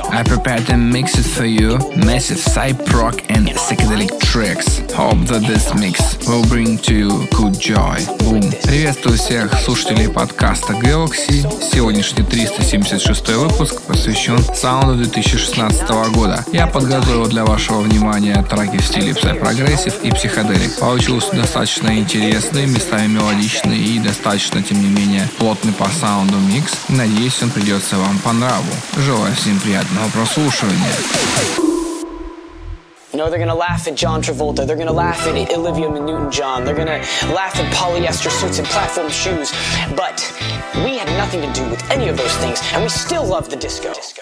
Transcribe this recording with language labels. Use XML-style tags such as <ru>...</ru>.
<en>I prepared a mix for you, massive cyber rock and psychedelic tracks. Hope that this mix will bring to you good joy. Boom.</en> <ru>Приветствую всех слушателей подкаста Galaxy. Сегодняшний 376 выпуск посвящен саунду 2016 года. Я подготовил для вашего внимания треки в стиле псай-прогрессив и психоделик. Получилось достаточно интересный, местами мелодичный и достаточно, тем не менее, плотный по саунду микс. Надеюсь, он придется вам по нраву. Желаю всем приятного прослушивания.</ru> <en>No, they're gonna laugh at John Travolta. They're gonna laugh at Olivia and Newton-John. They're gonna laugh at polyester suits and platform shoes. But we had nothing to do with any of those things, and we still love the disco.</en>